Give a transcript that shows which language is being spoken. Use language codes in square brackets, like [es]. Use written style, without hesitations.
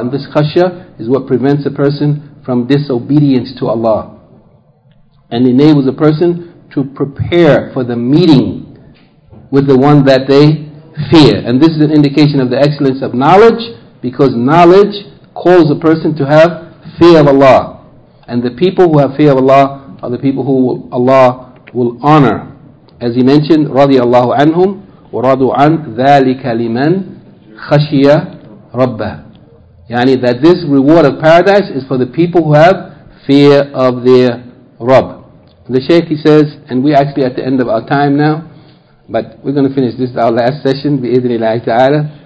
[en] And this khashya is what prevents a person from disobedience to Allah, and enables a person to prepare for the meeting with the one that they fear. And this is an indication of the excellence of knowledge, because knowledge calls a person to have fear of Allah. And the people who have fear of Allah are the people who Allah will honor. As he mentioned, [ar] رَضِيَ اللَّهُ عَنْهُمْ وَرَضُوا عَنْ ذَٰلِكَ لِمَنْ خَشِيَ رَبَّهُ. [en] Yani that this reward of paradise is for the people who have fear of their Rabb. The Shaykh, he says, and we're actually at the end of our time now, but we're going to finish this, our last session, [ar] بِإِذْنِ اللَّهِ تَعَالَى.